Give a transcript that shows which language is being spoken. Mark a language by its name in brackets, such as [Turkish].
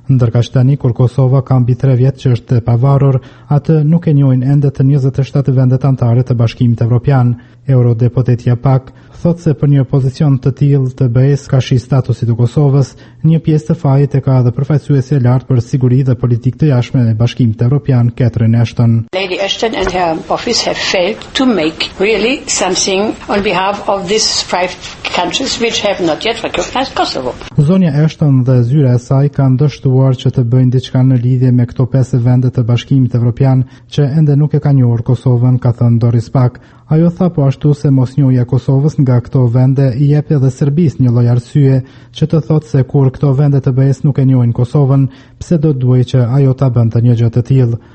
[Albanian] Ndërkaq tani, kur Kosova ka mbi 3 vjet që është e pavarur, atë nuk e njohin ende të 27 vendet antare të Bashkimit Evropian. Eurodeputetja Pak thot se për një pozicion të tillë të BE-s ka shi statusi të Kosovës, një pjesë të fajit e ka edhe përfaqësuesja e lartë për siguri dhe politikë të jashtme e Bashkimit Evropian, Catherine Ashton. [English] Lady Ashton and her office have failed to make really something on behalf of these five countries which have not yet recognized Kosovo. [Albanian] Zonja Ashton dhe zyra e saj kanë dështuar që të bëjnë diçka në lidhje me këto 5 vende të Bashkimit Evropian që ende nuk e kanë njohur Kosovën, ka thënë Doris Pak. Ajo tha po ashtu se mosnjohja Kosovës nga këto vende i jep edhe Serbisë një lloj arsye që të thotë se kur këto vende të BE-s nuk e njohin Kosovën, pse do të duhej që ajo ta bënte një gjë të tillë.